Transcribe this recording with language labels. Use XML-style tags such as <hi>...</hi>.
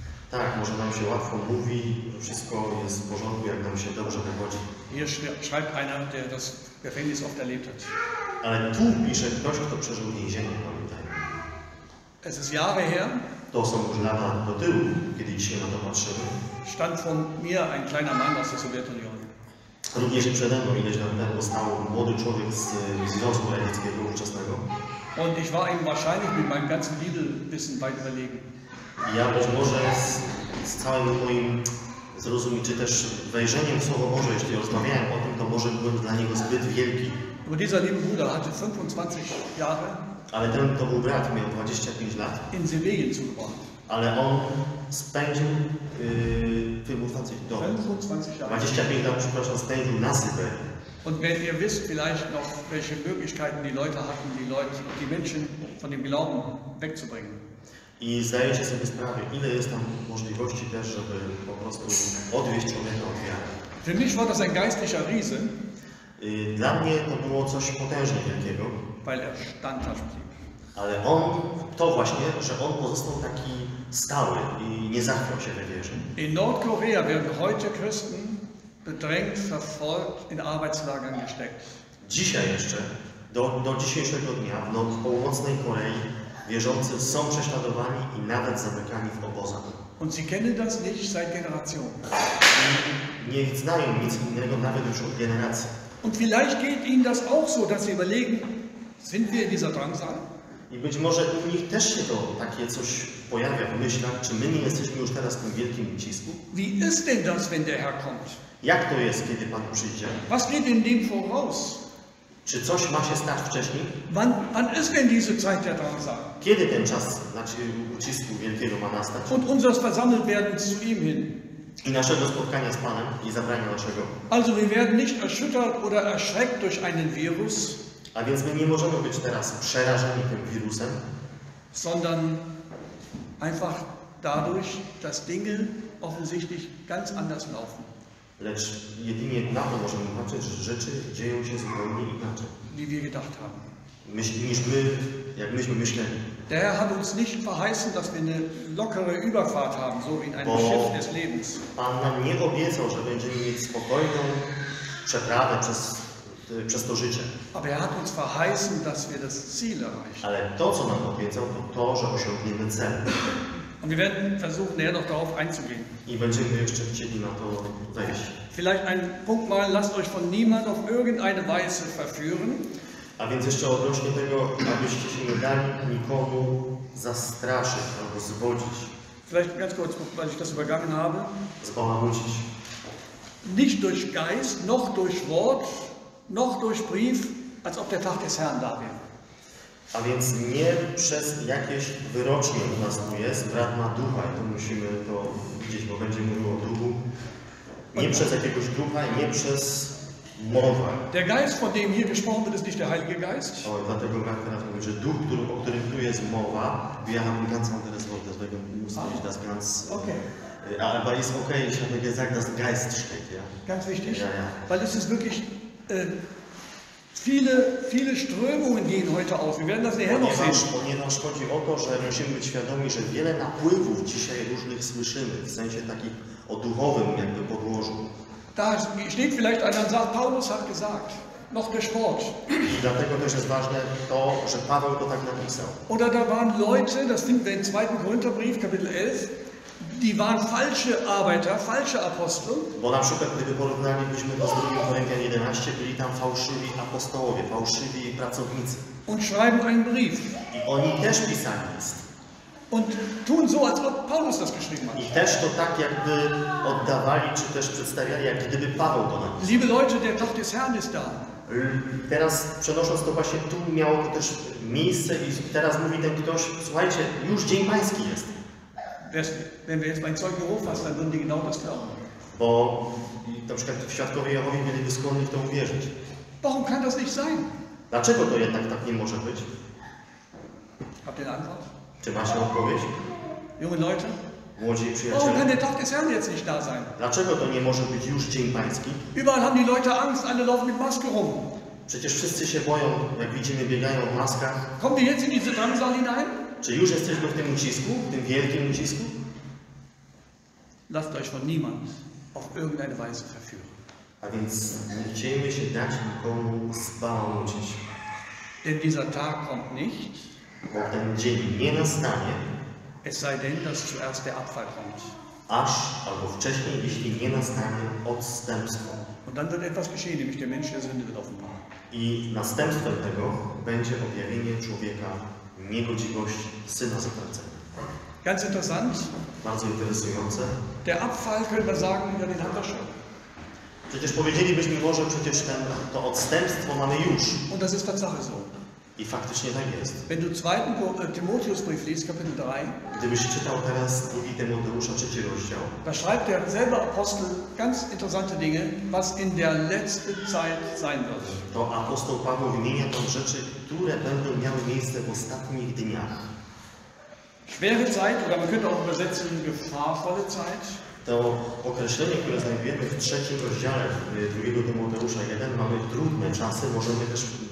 <pl>Tak, może nam się łatwo mówi, że wszystko jest w porządku, jak nam się dobrze wychodzi.</pl> <de>Hier schreibt einer, der das Gefängnis oft erlebt hat.</de> <pl>Ale tu pisze ktoś, kto przeżył więzienie, pamiętajmy.</pl> <de>Es ist Jahre her.</de> <pl>To są już lata do tyłu, kiedy dzisiaj na to patrzymy.</pl> <de>Stand von mir ein kleiner Mann aus der Sowjetunion.</de> <pl>Również przede mną ileś lat temu stał młody człowiek z Związku Radzieckiego ówczesnego.</pl> <de>Und ich war ihm wahrscheinlich mit meinem ganzen Bibelwissen weit überlegen.</de> <pl>Ja być może z całym moim zrozumieć, czy też wejrzeniem w Słowo Boże, jeśli rozmawiałem o tym, to może byłem dla niego zbyt wielki.</pl> <de>Aber dieser liebe Bruder hatte 25 Jahre.</de> <pl>Ale ten to był brat, miał 25 lat.</pl> <de>In Sibirien zugebracht.</de> <pl>Ale on spędził 25 lat, przepraszam, spędził na Syberii.</pl> <de>Und wenn ihr wisst vielleicht noch, welche Möglichkeiten die Leute hatten, die Menschen von dem Glauben wegzubringen.</de> <pl>I zdajecie sobie sprawę, ile jest tam możliwości też, żeby po prostu odwieźć człowieka od wiary.</pl> <de>Für mich war das ein geistlicher Riese.</de> <pl>Dla mnie to było coś potężnie wielkiego.</pl> <de>Weil er standhaft blieb.</de> <pl>Ale on, to właśnie, że on pozostał taki stały i nie zachwiał się we wierze.</pl> <de>In Nordkorea werden heute Christen bedrängt, verfolgt, in Arbeitslagern gesteckt.</de> <pl>Dzisiaj jeszcze, do dzisiejszego dnia, w Północnej Korei, wierzący są prześladowani i nawet zamykani w obozach.</pl> <de>Und sie kennen das nicht seit Generationen.</de> <pl>Nie znają nic innego nawet już od generacji.</pl> <de>Und vielleicht geht ihnen das auch so, dass sie überlegen, sind wir in dieser Drangsal?</de> <pl>I być może u nich też się to takie coś pojawia w myślach, czy my nie jesteśmy już teraz w tym wielkim ucisku?</pl> <de>Wie ist denn das, wenn der Herr kommt?</de> <pl>Jak to jest, kiedy Pan przyjdzie?</pl> <de>Was geht in dem voraus?</de> <pl>Czy coś ma się stać wcześniej?</pl> <de>Wann ist denn diese Zeit der Drangsal?</de> <pl>Kiedy ten czas, znaczy ucisku wielkiego ma nastać?</pl> <de>Und unseres Versammeltwerdens zu ihm hin.</de> <pl>I naszego spotkania z Panem i zabrania naszego.</pl> <de>Also wir werden nicht erschüttert oder erschreckt durch einen Virus.</de> <pl>A więc my nie możemy być teraz przerażeni tym wirusem.</pl> <de>Sondern einfach dadurch, dass Dinge offensichtlich ganz anders laufen.</de> <pl>Lecz jedynie na to możemy patrzeć, że rzeczy dzieją się zupełnie inaczej.</pl> <de>Wie wir gedacht haben.</de> <pl>Jak myśmy myśleli.</pl> <de>Der Herr hat uns nicht verheißen, dass wir eine lockere Überfahrt haben, so wie in einem Schiff des Lebens.</de> <pl>Pan nam nie obiecał, że będziemy mieć spokojną przeprawę przez to życie.</pl> <de>Aber er hat uns verheißen, dass wir das Ziel erreichen.</de> <pl>Ale to, co nam obiecał, to to, że osiągniemy cel.</pl> <de>Und wir werden versuchen, näher noch darauf einzugehen.</de> <pl>I będziemy jeszcze chcieli na to wejść.</pl> <de>Vielleicht ein Punkt mal, lasst euch von niemand auf irgendeine Weise verführen.</de> <pl>A więc jeszcze odnośnie tego, abyście się nie dali nikomu zastraszyć albo zwodzić.</pl> <de>Vielleicht ganz kurz, weil ich das übergangen habe.</de> <pl>Zbałamucić.</pl> <de>Nicht durch Geist, noch durch Wort, noch durch Brief, als ob der Tag des Herrn da wäre.</de> <pl>A więc nie przez jakieś wyrocznie u nas tu jest, brat ma ducha i to musimy to widzieć, bo będzie mówił o duchu. Nie przez jakiegoś ducha, nie przez... Mowa.</pl> <de>Der Geist, von dem hier gesprochen wird, ist nicht der Heilige Geist.</de> <pl>O, dlatego brat teraz mówi, że duch, o którym tu jest mowa,</pl> <de>wir haben ganz anderes Wort, deswegen muss ich das ganz... Okay. Aber ist okay, ich habe gesagt, dass Geist steht, ja. Ganz wichtig, ja, ja. Weil es ist wirklich... Viele Strömungen gehen heute auf. Wir werden das nachher noch sehen.</de> <pl>Ponieważ chodzi o to, że musimy być świadomi, że wiele napływów dzisiaj różnych słyszymy, w sensie takich o duchowym jakby podłożu.</pl> <de>Da steht vielleicht einer und sagt, Paulus hat gesagt, noch der Sport.</de> <pl>I dlatego też jest ważne to, że Paweł to tak napisał.</pl> <de>Oder da waren Leute, das finden wir im 2. Korintherbrief, Kapitel 11, die waren falsche Arbeiter, falsche Apostel.</de> <pl>Bo na przykład, gdyby porównalibyśmy to z 2. Korinthian 11, byli tam fałszywi apostołowie, fałszywi pracownicy.</pl> <de>Und schreiben einen Brief.</de> <pl>I oni też pisali list.</pl> <de>Und tun so, als ob Paulus das geschrieben hat.</de> <pl>I też to tak, jakby oddawali, czy też przedstawiali, jak gdyby Paweł to napisał.</pl> <de>Liebe Leute, der Tag des Herrn ist da.</de> <pl>Teraz, przenosząc to właśnie tu, miało to też miejsce i teraz mówi ten ktoś, słuchajcie, już Dzień Pański jest.</pl> <de>Wenn wir jetzt mein Zeugen Jehovas, dann würden die genau das glauben.</de> <pl>Bo na przykład świadkowie Jehowy byliby skłonni w to uwierzyć.</pl> <de>Warum kann das nicht sein?</de> <pl>Dlaczego to jednak tak nie może być?</pl> <de>Habt ihr eine Antwort?</de> <pl>Czy macie odpowiedź?</pl> <de>Junge Leute?</de> <pl>Młodzi przyjaciele.</pl> <de>Warum kann der Tag des Herrn jetzt nicht da sein?</de> <pl>Dlaczego to nie może być już Dzień Pański?</pl> <de>Überall haben die Leute Angst, alle laufen mit Maske rum.</de> <pl>Przecież wszyscy się boją, jak widzimy, biegają w maskach.</pl> <de>Kommt ihr jetzt in diese Drangsal hinein?</de> <pl>Czy już jesteśmy w tym ucisku, w tym wielkim ucisku?</pl> <de>Lasst euch von niemand auf irgendeine Weise verführen.</de> <pl>A więc nie chciejmy się dać nikomu zbałucić.</pl> <de>Denn dieser Tag kommt nicht.</de> <pl>Bo ten dzień nie nastanie.</pl> <de>Es sei denn, dass zuerst der Abfall kommt.</de> <pl>Aż albo wcześniej, jeśli nie nastanie odstępstwo.</pl> <de>Und dann wird etwas geschehen, nämlich der Mensch der Sünde wird offenbar.</de> <pl>I następstwem tego będzie objawienie człowieka niegodziwości, syna zatracenia.</pl> <de>Ganz interessant.</de> <pl>Bardzo interesujące.</pl> <de>Der Abfall könnte man sagen, ja, den haben wir schon.</de> <pl>Przecież powiedzielibyśmy, może przecież ten, to odstępstwo mamy już.</pl> <de>Und das ist tatsächlich so.</de> <pl>I faktycznie tak jest.</pl> <de>Wenn du 2. Timotheusbrief liest, Kapitel 3,</de> <pl>gdybyś czytał teraz 2 Tymoteusza, 3 rozdział,</pl> <de>da schreibt der selber Apostel ganz interessante Dinge, was in der letzten Zeit sein wird.</de> <pl>To apostoł Paweł wymienia tam rzeczy, które będą miały miejsce w ostatnich dniach.</pl> <de>Schwere Zeit, oder man könnte auch übersetzen, gefahrvolle Zeit.</de> <pl>To określenie, które znajdujemy w 3 rozdziale 2 Tymoteusza 1, mamy trudne czasy, możemy też</pl>